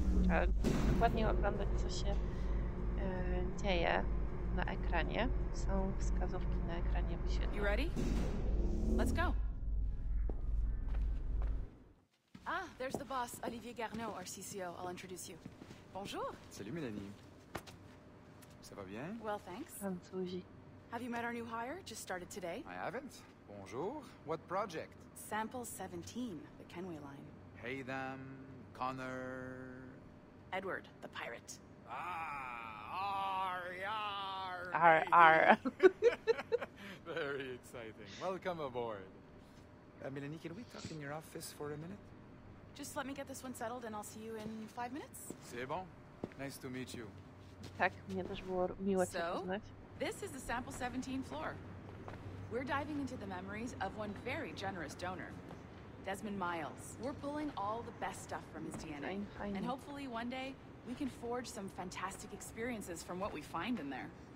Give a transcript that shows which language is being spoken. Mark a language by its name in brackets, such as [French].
[Polish] Ale dokładnie oglądać, co się dzieje na ekranie. Są wskazówki na ekranie wyświetlone. [English] You ready? Let's go! Ah, there's the boss, Olivier Garneau, our CCO. I'll introduce you. Bonjour! [French] Salut, Mélanie. Ça va bien? [English] Well, thanks. Have you met our new hire? Just started today. I haven't. Bonjour. What project? Sample 17, the Kenway line. Hey them, Connor. Edward, the pirate. Ah, ar, yar, ar, ar. Very exciting. Welcome aboard. Mélanie, can we talk in your office for a minute? Just let me get this one settled and I'll see you in 5 minutes. [French] C'est bon. [English] Nice to meet you. [Polish] Tak, mnie też było miło cię poznać. [English] This is the sample 17 floor. We're diving into the memories of one very generous donor, Desmond Miles. We're pulling all the best stuff from his DNA. And hopefully one day we can forge some fantastic experiences from what we find in there.